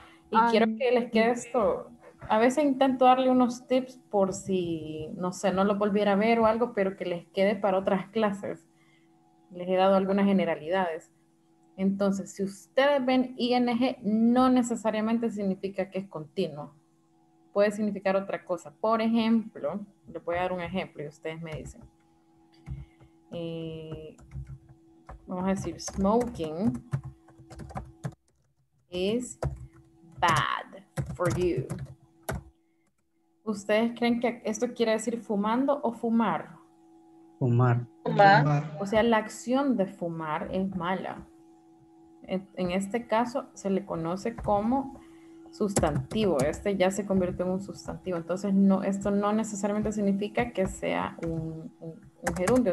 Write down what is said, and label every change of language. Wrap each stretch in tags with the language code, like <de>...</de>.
<es>Y quiero que les quede esto. A veces intento darle unos tips por si, no sé, no lo volviera a ver o algo, pero que les quede para otras clases. Les he dado algunas generalidades. Entonces, si ustedes ven ing, no necesariamente significa que es continuo. Puede significar otra cosa. Por ejemplo, les voy a dar un ejemplo y ustedes me dicen. Vamos a decir,</es> <en>smoking is bad for you.</en> <es>¿Ustedes creen que esto quiere decir fumando o fumar? Fumar. Fumar. O sea, la acción de fumar es mala. En este caso, se le conoce como sustantivo. Este ya se convierte en un sustantivo. Entonces, no, esto no necesariamente significa que sea un gerundio.</es>